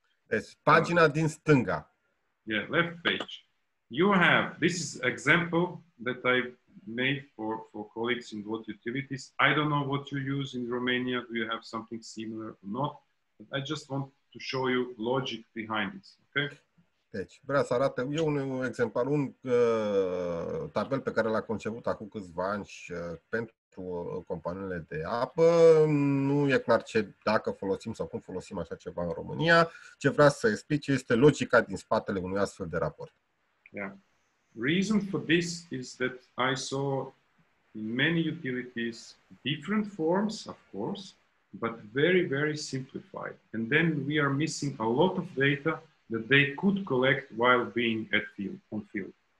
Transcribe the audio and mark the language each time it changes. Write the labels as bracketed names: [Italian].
[Romanian] Yes, pagina din stânga. [English] Yeah, left page. You have, this is example that I made for colleagues in both utilities. I don't know what you use in Romania. Do you have something similar or not? But I just want to show you logic behind this. Okay. [Romanian] Deci, vreau să arate eu un exemplar, un tabel pe care l-a conceput acum câțiva ani și, pentru companiile de apă. Nu e clar ce, dacă folosim sau cum folosim așa ceva în România. Ce vreau să explic este logica din spatele unui astfel de raport. [English] Yeah. Reason for this is that I saw in many utilities different forms, of course, but very, very simplified. And then we are missing a lot of data that they could collect while being at field, on field.